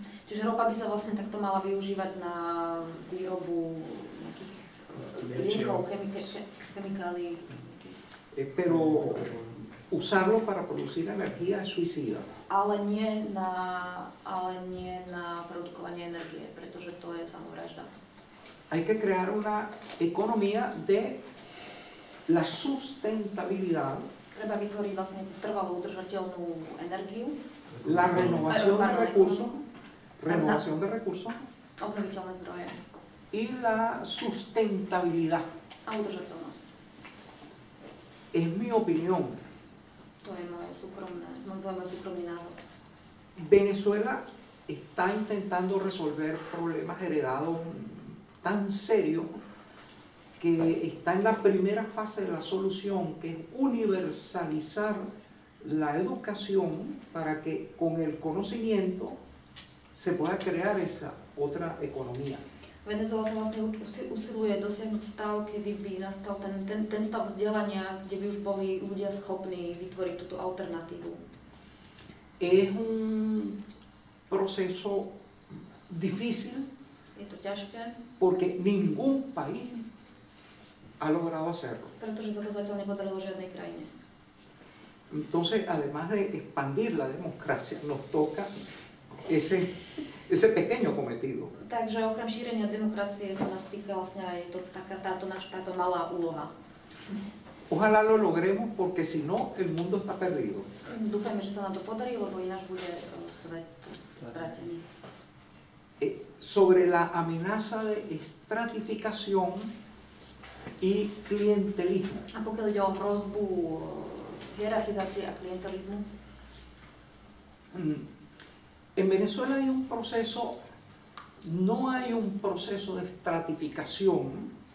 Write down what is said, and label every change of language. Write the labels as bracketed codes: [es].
[sk] Čiže ropa by sa vlastne takto mala využívať na výrobu nejakých liekov, chemikálií. [es] Pero Usarlo para producir energía es suicida. [sk] Ale nie na produkovanie energie, pretože to je samovražda. [es] Hay que crear una economía de la sustentabilidad. [sk] Treba vytvoriť vlastne trvalú udržateľnú energiu. [es] La renovación de recursos. Renovación de recursos. [sk] Obnoviteľné zdroje. [es] Y la sustentabilidad. [sk] A udržateľnosť. [es] Es mi opinión. [sk] To je môj súkromný názor. [es] Venezuela está intentando resolver problemas heredados tan serios que está en la primera fase de la solución, que es universalizar la educación para que con el conocimiento se pueda crear esa otra economía. [sk] Venezuela sa vlastne usiluje dosiahnuť stav, kedy by nastal ten stav vzdelania, kde by už boli ľudia schopní vytvoriť túto alternatívu. [es] Es un proceso difícil. [sk] Je to ťažké. [es] Porque ningún país ha logrado hacerlo. [sk] Pretože sa to zatiaľ nepodarilo žiadnej krajine. [es] Entonces, además de expandir la democracia, nos toca ese pequeño cometido. [sk] Takže okrem šírenia demokracie sa nás týka vlastne aj to, táto malá úloha. [es] Ojalá lo logremos, porque si no, el mundo está perdido. [sk] Dúfajme, že sa nám to podarí, lebo ináč bude svet stratený. [es] Sobre la amenaza de estratificación y clientelismo. [sk] A pokiaľ ide o hrozbu hierarchizácie a klientelizmu? [es] En Venezuela hay un proceso, no hay un proceso de estratificación.